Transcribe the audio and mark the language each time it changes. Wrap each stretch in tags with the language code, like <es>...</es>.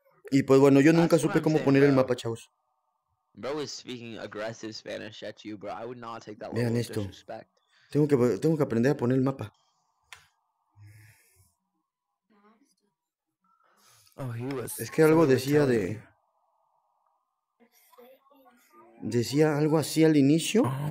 <es>Y pues bueno, yo nunca supe cómo poner el mapa, chavos.</es> <en>Bro is speaking aggressive Spanish at you, bro. I would not take that level of disrespect.</en> <es>Tengo que aprender a poner el mapa.</es> <en>Oh, he was.</en> <es>Es que algo decía de. Decía algo así al inicio.</es>